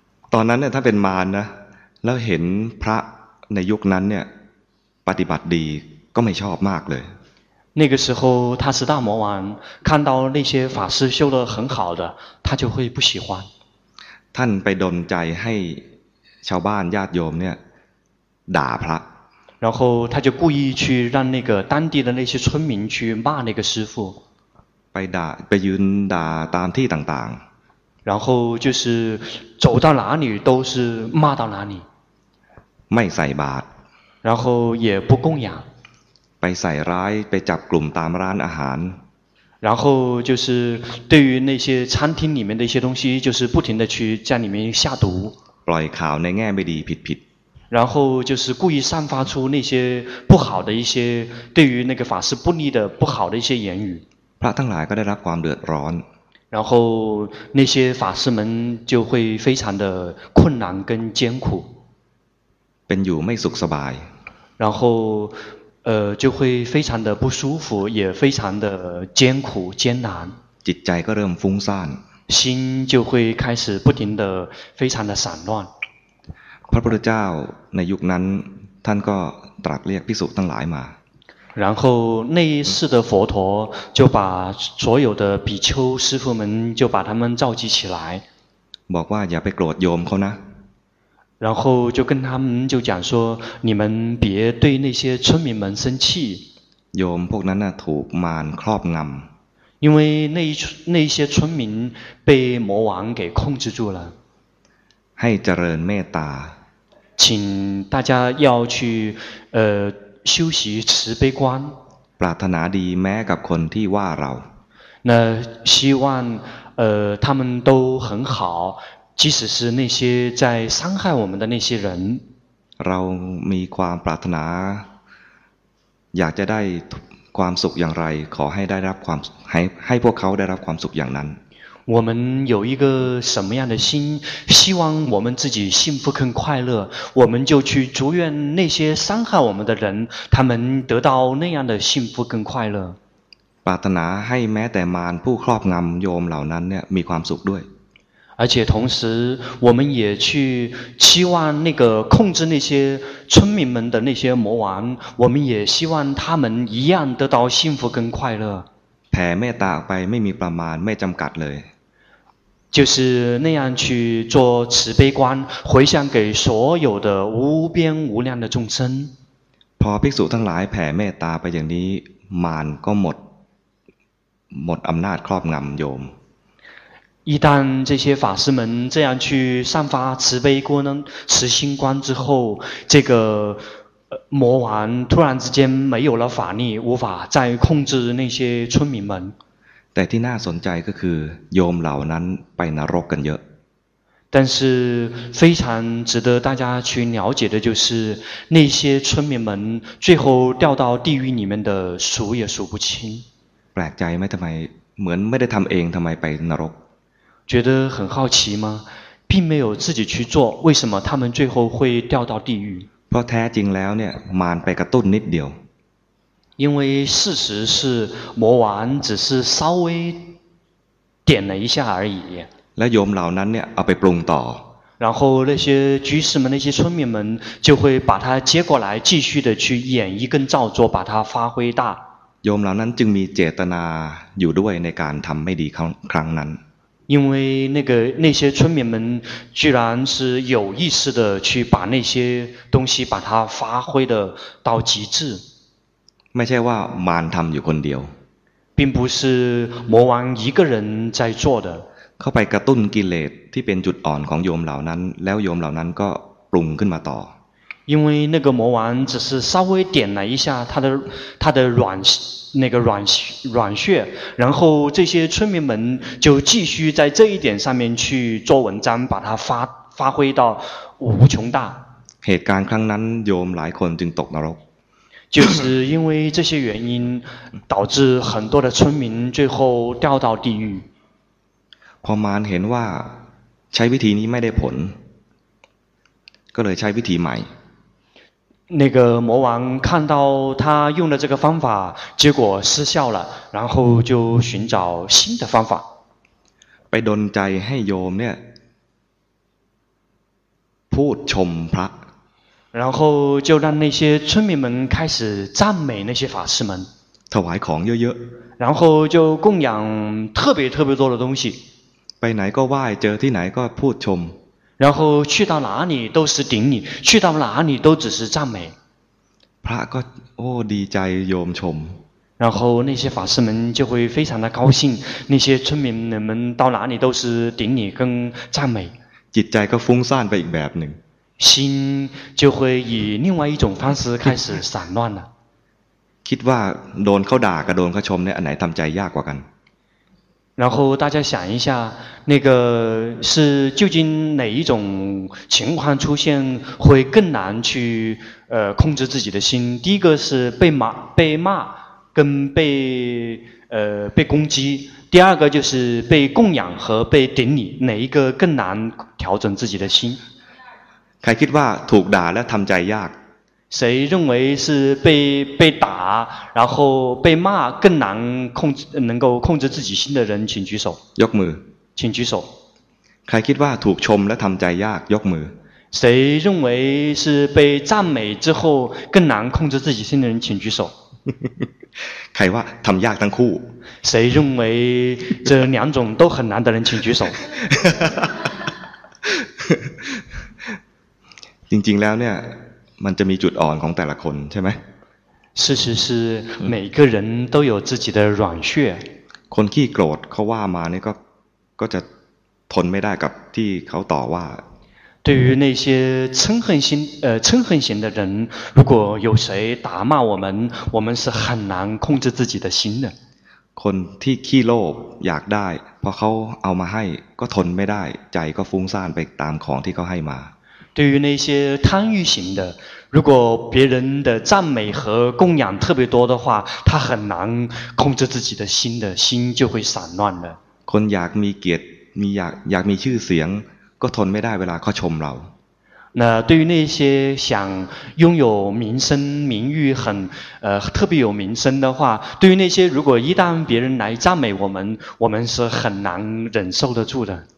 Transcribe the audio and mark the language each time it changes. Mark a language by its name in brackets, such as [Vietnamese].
[Thai] ตอนนั้นเนี่ยถ้าเป็นมารนะแล้วเห็นพระในยุคนั้นเนี่ยปฏิบัติดีก็ไม่ชอบมากเลย [Chinese] 那个时候他是大魔王看到那些法师修得很好的他就会不喜欢 [Thai] ท่านไปดลใจให้ชาวบ้านญาติโยมเนี่ยด่าพระ [Chinese] 然后他就故意去让那个当地的那些村民去骂那个师父 [Thai] ไปด่าไปยืนด่าตามที่ต่าง [Chinese] ๆ然后就是走到哪里都是骂到哪里 [Thai] ไม่ใส่บาตร [Chinese] 然后也不供养 [Thai] ไปใส่ร้ายไปจับกลุ่มตามร้านอาหาร [Chinese] 然后就是对于那些餐厅里面的一些东西就是不停的去在里面下毒 [Thai] ปล่อยข่าวในแง่ไม่ดีผิด [Chinese] 然后就是故意散发出那些不好的一些对于那个法师不利的不好的一些言语 [Thai] พระทั้งหลายก็ได้รับความเดือดร้อน [Chinese] 然后那些法师们就会非常的困难跟艰苦 [Thai] เป็นอยู่ไม่สุขสบาย [Chinese] 然后就会非常的不舒服也非常的艰苦艰难 [Thai] จิตใจก็เริ่มฟุ้งซ่าน [Chinese] 心就会开始不停的非常的散乱 [Thai] พระพุทธเจ้าในยุคนั้นท่านก็ตรัสเรียกภิกษุทั้งหลายมา [Chinese] 然后那一世的佛陀就把所有的比丘师父们就把他们召集起来 [Thai] บอกว่าอย่าไปโกรธโยมเขานะ [Chinese] 然后就跟他们就讲说你们别对那些村民们生气 [Thai] โยมพวกนั้นน่ะถูกมารครอบงำ [Chinese] 因为那些村民被魔王给控制住了 [Thai] ให้เจริญเมตตา [Chinese] 请大家要去修习慈悲观 [Thai] ปรารถนาดีแม้กับคนที่ว่าเรา [Chinese] 那希望他们都很好即使是那些在伤害我们的那些人 [Thai] เรามีความปรารถนาอยากจะได้ความสุขอย่างไรขอให้ได้รับความให้พวกเขาได้รับความสุขอย่างนั้น [Chinese] 我们有一个什么样的心希望我们自己幸福跟快乐我们就去祝愿那些伤害我们的人他们得到那样的幸福跟快乐 [Thai] ปรารถนาให้แม้แต่มารผู้ครอบงำโยมเหล่านั้นเนี่ยมีความสุขด้วย [Chinese] 而且同时我们也去期望那个控制那些村民们的那些魔王我们也希望他们一样得到幸福跟快乐 [Thai] แผ่เมตตาออกไปไม่มีประมาณไม่จำกัดเลย [Chinese] 就是那样去做慈悲观回向给所有的无边无量的众生 [Thai] พอภิกษุทั้งหลายแผ่เมตตาไปอย่างนี้มารก็หมดอำนาจครอบงำโยม [Chinese] 一旦这些法师们这样去散发慈悲观、慈心观之后，这个魔王突然之间没有了法力，无法再控制那些村民们。 [Thai] แต่ที่น่าสนใจก็คือโยมเหล่านั้นไปนรกกันเยอะ。 [Chinese] 但是非常值得大家去了解的就是，那些村民们最后掉到地狱里面的数也数不清。 [Thai] แปลกใจไหมทำไมเหมือนไม่ได้ทำเองทำไมไปนรก？ [Chinese] 觉得很好奇吗？并没有自己去做，为什么他们最后会掉到地狱？ [Thai] เพราะแท้จริงแล้วเนี่ยมารไปกระตุ้นนิดเดียว [Chinese] 因为事实是魔王只是稍微点了一下而已。 [Thai] และโยมเหล่านั้นเนี่ยเอาไปปรุงต่อ [Chinese] 然后那些居士们、那些村民们就会把它接过来，继续的去演绎跟造作，把它发挥大。 [Thai] โยมเหล่านั้นจึงมีเจตนาอยู่ด้วยในการทำไม่ดีครั้งนั้น [Chinese] 因为那些村民们居然是有意识的去把那些东西把它发挥的到极致 [Thai] ไม่ใช่ว่ามารทำอยู่คนเดียว [Chinese] 并不是魔王一个人在做的 [Thai] เข้าไปกระตุ้นกิเลสที่เป็นจุดอ่อนของโยมเหล่านั้นแล้วโยมเหล่านั้นก็ปรุงขึ้นมาต่อ [Chinese] 因为那个魔王只是稍微点了一下他的软那个软穴然后这些村民们就继续在这一点上面去做文章把它发挥到无穷大 [Thai] เหตุการณ์ครั้งนั้นโยมหลายคนจึงตกนรก [Chinese] 就是因为这些原因导致很多的村民最后掉到地狱 [Thai] พอมารเห็นว่า ช้วิธีนี้ไม่ได้ผลก็เลยใช้วิธีใหม่ [Chinese] 那个魔王看到他用的这个方法结果失效了然后就寻找新的方法 [Thai] ไปดลใจให้โยมเนี่ยพูดชมพระ [Chinese] 然后就让那些村民们开始赞美那些法师们 [Thai] ถวายของเยอะ [Chinese] ๆ然后就供养特别特别多的东西 [Thai] ไปไหนก็ไหว้เจอที่ไหนก็พูดชม [Chinese] 然后去到哪里都是顶礼去到哪里都只是赞美 [Thai] พระก็โอ้ดีใจโยมชม [Chinese] 然后那些法师们就会非常的高兴那些村民们到哪里都是顶礼跟赞美 [Thai] จิตใจก็ฟุ้งซ่านไปอีกแบบหนึ่ง [Chinese] 心就会以另外一种方式开始散乱了 [Thai] คิดว่าโดนเขาด่ากับโดนเขาชมเนี่ยอันไหนทำใจยากกว่ากัน [Chinese] 然后大家想一下那个是究竟哪一种情况出现会更难去控制自己的心第一个是被骂跟被攻击第二个就是被供养和被顶礼哪一个更难调整自己的心 [Thai] ใครคิดว่าถูกด่าแล้วทำใจยาก [Chinese] 谁认为是被打然后被骂更难能够控制自己心的人请举手 [Thai] ยกมือ [Chinese] 请举手 [Thai] ใครคิดว่าถูกชมแล้วทำใจยากยกมือ [Chinese] 谁认为是被赞美之后更难控制自己心的人请举手 [Thai] ใครว่าทำยากทั้งคู่ [Chinese] 谁认为这两种都很难的人请举手 [Thai] จริงๆแล้วเนี่ยมันจะมีจุดอ่อนของแต่ละคนใช่ไหม [Chinese] 事实是每个人都有自己的软穴 [Thai] คนที่โกรธเขาว่ามาเนี่ยก็จะทนไม่ได้กับที่เขาต่อว่า [Chinese] 对于那些嗔恨型的人如果有谁打骂我们是很难控制自己的心的 [Thai] คนที่ขี้โลภอยากได้พอเขาเอามาให้ก็ทนไม่ได้ใจก็ฟุ้งซ่านไปตามของที่เขาให้มา [Chinese] 对于那些贪欲型的如果别人的赞美和供养特别多的话他很难控制自己的心的心就会散乱的 [Thai] คนอยากมีเกียรติมีอยากมีชื่อเสียงก็ทนไม่ได้เวลาเขาชมเรา [Chinese] 那对于那些想拥有名声名誉很特别有名声的话对于那些如果一旦别人来赞美我们是很难忍受得住的